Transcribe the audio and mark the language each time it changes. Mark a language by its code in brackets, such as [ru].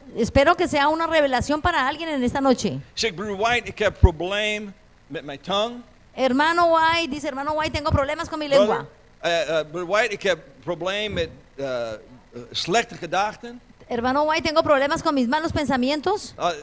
[es] Espero que sea una revelación para alguien en esta noche. [nl] Zeg, broer White, ik heb probleem met mijn tong. [es] Hermano White, dice hermano White, tengo problemas con mi lengua. [nl] Broer White, ik heb probleem met slechte gedachten. [es] Hermano White, tengo problemas con mis malos pensamientos.